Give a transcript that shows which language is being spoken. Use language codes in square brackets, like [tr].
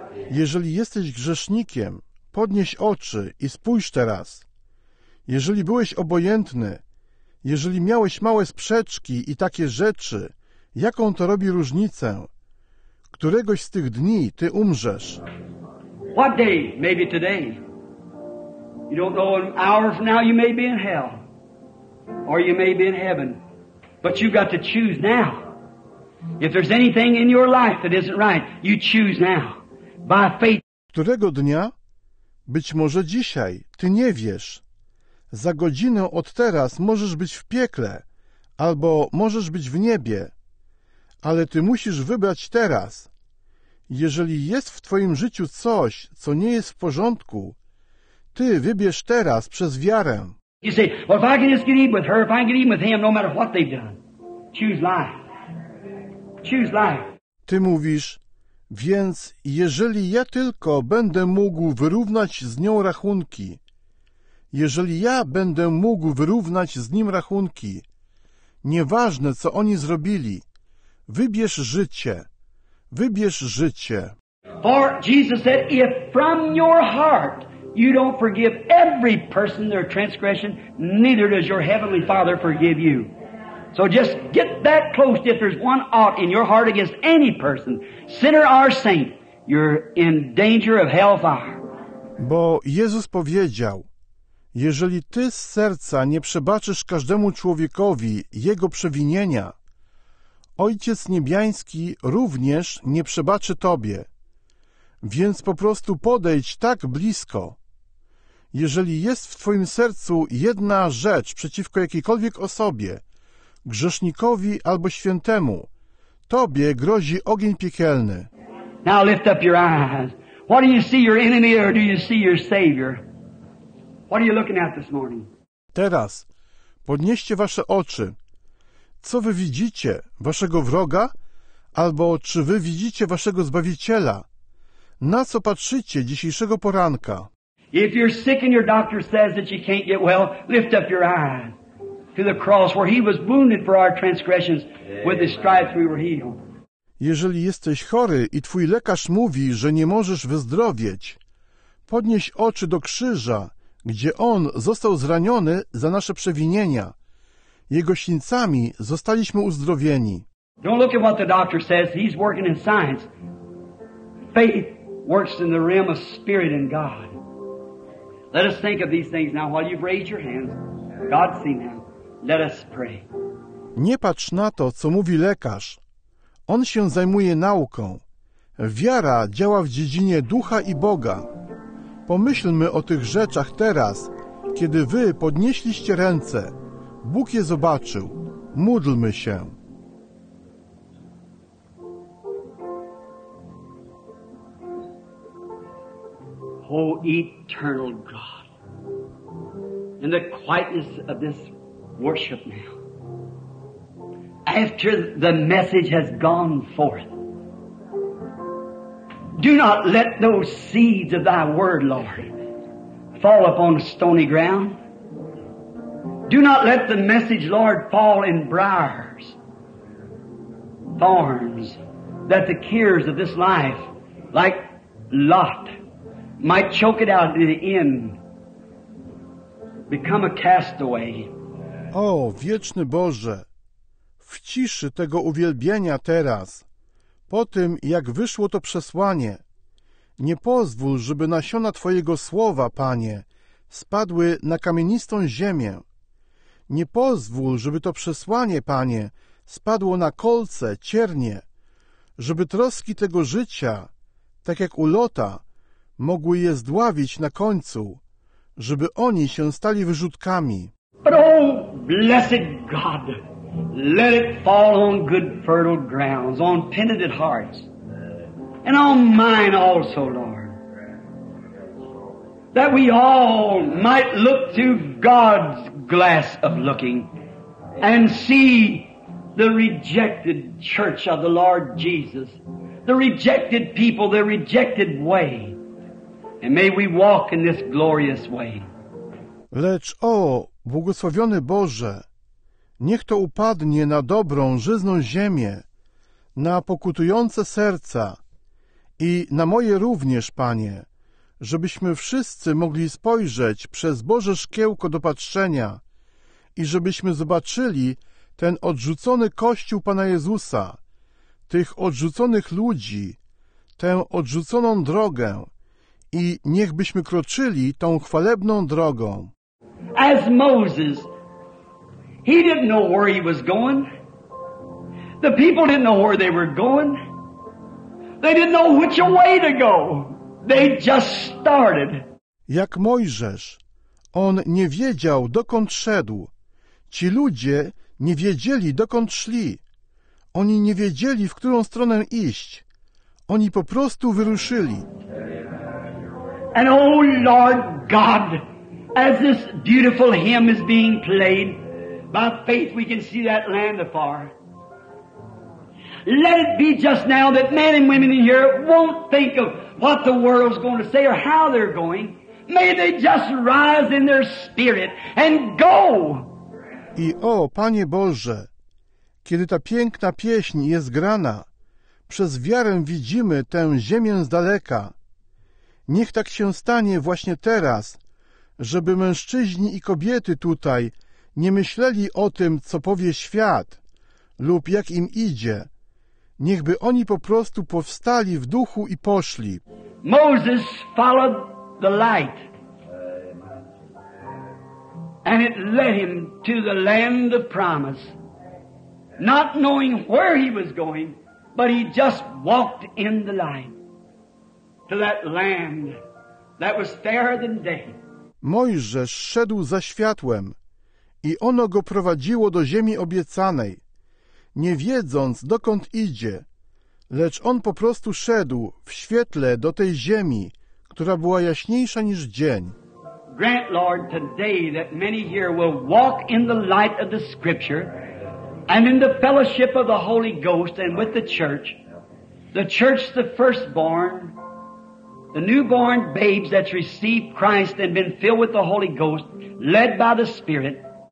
[pl] Jeżeli jesteś grzesznikiem, podnieś oczy i spójrz teraz. Jeżeli byłeś obojętny, jeżeli miałeś małe sprzeczki i takie rzeczy, jaką to robi różnicę? Któregoś z tych dni ty umrzesz. [en] What day? Maybe today. You don't know, an hour from now you may be in hell. Or you may be in heaven. But you've got to choose now. If there's anything in your life that isn't right, you choose now. By faith. [pl] Którego dnia? Być może dzisiaj. Ty nie wiesz. Za godzinę od teraz możesz być w piekle, albo możesz być w niebie, ale ty musisz wybrać teraz. Jeżeli jest w twoim życiu coś, co nie jest w porządku, ty wybierz teraz przez wiarę. [en] You say, well, if I can just get even with her, if I can get even with him, no matter what they've done, choose life. Choose life. [pl] Ty mówisz, więc jeżeli ja tylko będę mógł wyrównać z nią rachunki, jeżeli ja będę mógł wyrównać z nim rachunki, nieważne, co oni zrobili, wybierz życie. Wybierz życie. [en] For Jesus said, if from your heart you don't forgive every person their transgression, neither does your heavenly Father forgive you. So just get that close. If there's one ought in your heart against any person, sinner or saint, you're in danger of hellfire. [pl] Bo Jezus powiedział, jeżeli ty z serca nie przebaczysz każdemu człowiekowi jego przewinienia, Ojciec Niebiański również nie przebaczy tobie. Więc po prostu podejdź tak blisko. Jeżeli jest w twoim sercu jedna rzecz przeciwko jakiejkolwiek osobie, grzesznikowi albo świętemu, tobie grozi ogień piekielny. [en] Now lift up your eyes. What do you see, your enemy, or do you see your Savior? What are you looking at this morning? [pl] Teraz podnieście wasze oczy. Co wy widzicie? Waszego wroga? Albo czy wy widzicie waszego Zbawiciela? Na co patrzycie dzisiejszego poranka? [en] If you're sick and your doctor says that you can't get well, lift up your eyes to the cross where he was wounded for our transgressions, with his stripes we were healed. [pl] Jeżeli jesteś chory i twój lekarz mówi, że nie możesz wyzdrowieć, podnieś oczy do krzyża, gdzie on został zraniony za nasze przewinienia. Jego sińcami zostaliśmy uzdrowieni. [en] Don't look at what the doctor says. He's working in science. Faith works in the realm of spirit in God. Let us think of these things now while you've raised your hands. God see now. Let us pray. [pl] Nie patrz na to, co mówi lekarz. On się zajmuje nauką. Wiara działa w dziedzinie ducha i Boga. Pomyślmy o tych rzeczach teraz, kiedy wy podnieśliście ręce. Bóg je zobaczył. Módlmy się. [en] O eternal God, in the quietness of this worship now, after the message has gone forth, do not let those seeds of thy word, Lord, fall upon stony ground. Do not let the message, Lord, fall in briars, thorns, that the cares of this life, like Lot, might choke it out in the end, become a castaway. [pl] O, wieczny Boże, w ciszy tego uwielbienia teraz, po tym, jak wyszło to przesłanie, nie pozwól, żeby nasiona Twojego słowa, Panie, spadły na kamienistą ziemię. Nie pozwól, żeby to przesłanie, Panie, spadło na kolce, ciernie, żeby troski tego życia, tak jak u Lota, mogły je zdławić na końcu, żeby oni się stali wyrzutkami. [en] But oh, blessed God, let it fall on good fertile grounds, on penitent hearts, and on mine also, Lord, that we all might look through God's glass of looking and see the rejected church of the Lord Jesus, the rejected people, the rejected way, and may we walk in this glorious way. [pl] Lecz o, błogosławiony Boże, niech to upadnie na dobrą, żyzną ziemię, na pokutujące serca i na moje również, Panie, żebyśmy wszyscy mogli spojrzeć przez Boże szkiełko do patrzenia i żebyśmy zobaczyli ten odrzucony Kościół Pana Jezusa, tych odrzuconych ludzi, tę odrzuconą drogę i niech byśmy kroczyli tą chwalebną drogą. [en] As Moses, he didn't know where he was going. The people didn't know where they were going. They didn't know which way to go. They just started. [pl] Jak Mojżesz, on nie wiedział, dokąd szedł. Ci ludzie nie wiedzieli, dokąd szli. Oni nie wiedzieli, w którą stronę iść. Oni po prostu wyruszyli. [en] And oh Lord God, as this beautiful hymn is being played, by faith we can see that land afar. Let it be just now that men and women in here won't think of what the world's going to say or how they're going. May they just rise in their spirit and go. [pl] I o, Panie Boże, kiedy ta piękna pieśń jest grana, przez wiarę widzimy tę ziemię z daleka. Niech tak się stanie właśnie teraz, żeby mężczyźni i kobiety tutaj nie myśleli o tym, co powie świat lub jak im idzie. Niechby oni po prostu powstali w duchu i poszli. [en] Moses followed the light. And it led him to the land of promise. Not knowing where he was going, but he just walked in the light. To that land that was fairer than day. [pl] Mojżesz szedł za światłem i ono go prowadziło do ziemi obiecanej, nie wiedząc, dokąd idzie, lecz on po prostu szedł w świetle do tej ziemi, która była jaśniejsza niż dzień. [en] Grant, Lord, today that many here will walk in the light of the Scripture and in the fellowship of the Holy Ghost and with the church the firstborn, the newborn babes that received Christ and been filled with the Holy Ghost, led by the Spirit.